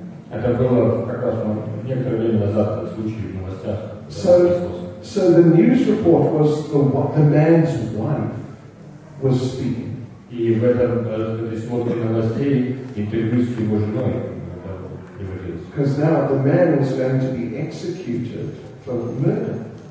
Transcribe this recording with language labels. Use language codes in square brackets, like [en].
[ru] Это было как раз некоторое время назад случай в новостях. [en] So the news report was the man's wife was speaking. [ru] И в этом смотрели новостей интервью с его женой. [en] Because now the man was going to be executed for the murder.